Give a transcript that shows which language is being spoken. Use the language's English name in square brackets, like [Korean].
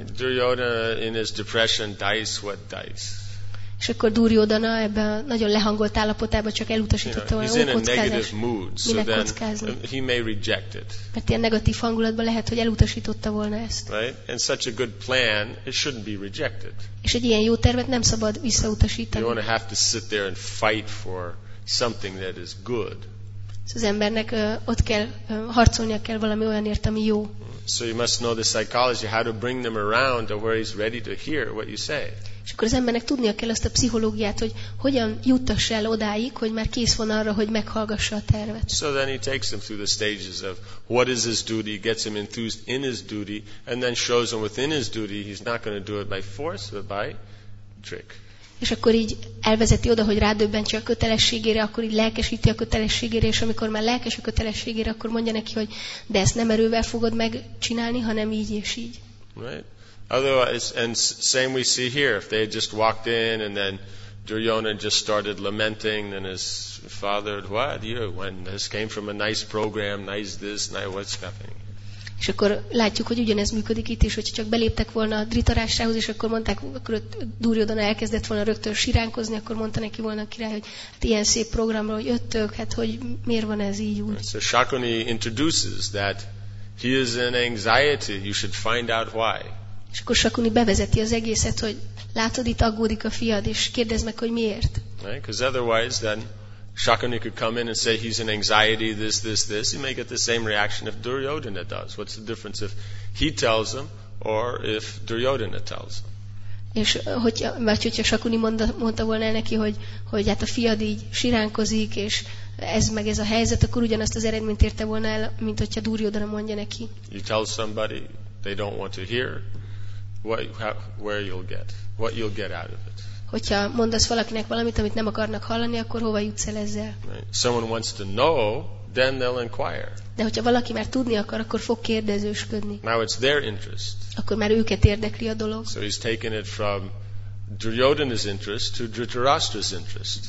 [English] Right. Duryodhana in his depression, dice what dice? [Hungarian] És akkor Duryodhana ebben a nagyon lehangolt állapotában csak elutasította, hogy [English] you know, [Hungarian] kockázni. [English] He may reject it. [Hungarian] Mert ilyen negatív hangulatban lehet, hogy elutasította volna ezt. [English] Right? And such a good plan, it shouldn't be rejected. [Hungarian] És egy ilyen jó tervet nem szabad visszautasítani. [English] You don't have to sit there and fight for something that is good. [Hungarian] Az embernek ott kell harcolnia kell valami olyanért, ami jó. [English] So you must know the psychology, how to bring them around to where he's ready to hear what you say. [Hungarian] És akkor az embernek tudnia kell azt a pszichológiát, hogy hogyan juttass el odáig, hogy már kész van arra, hogy meghallgassa a tervet. [English] So then he takes him through the stages of what is his duty, gets him enthused in his duty, and then shows him within his duty he's not going to do it by force, but by trick. [Hungarian] És akkor így elvezeti oda, hogy rádöbbentse a kötelességére, akkor így lelkesíti a kötelességére, és amikor már lelkes a kötelességére, akkor mondja neki, hogy de ezt nem erővel fogod megcsinálni, hanem így és így. [English] Right. Otherwise, and same we see here, if they had just walked in and then Duryodhana just started lamenting, then his father, what, you, when this came from a nice program, nice this, nice what's happening. [Hungarian] És akkor látjuk, hogy ugyanez működik itt is, hogyha csak beléptek volna a Dhritarashtrához, és akkor mondták, akkor Duryodhana elkezdett volna rögtön siránkozni, akkor mondta neki volna a király, hogy hát ilyen szép programra, hogy jöttök, hát hogy miért van ez így úgy. [English] So Shakuni introduces that he is in anxiety, you should find out why. [Hungarian] És akkor Shakuni bevezeti az egészet, hogy látod, itt aggódik a fiad, és kérdezd meg, hogy miért. [English] Right, because otherwise then Shakuni could come in and say he's in anxiety, this. He may get the same reaction if Duryodhana does. What's the difference if he tells him or if Duryodhana tells him? [Hungarian] És hogyha Sakuni mondta volna el neki, hogy hát a fiad így siránkozik, és ez meg ez a helyzet, akkor ugyanazt az eredményt érte volna el, mint hogyha Duryodhana mondja neki. [English] You tell somebody they don't want to hear what, where you'll get, what you'll get out of it. [Hungarian] Hogyha mondasz valakinek valamit, amit nem akarnak hallani, akkor hova jutsz el ezzel? [English] Right. Someone wants to know, then they'll inquire. [Hungarian] De hogyha valaki már tudni akar, akkor fog kérdezősködni. [English] Now it's their interest. [Hungarian] Akkor már őket érdekli a dolog. [English] So he's taken it from Duryodhana's interest to Dhritarashtra's interest.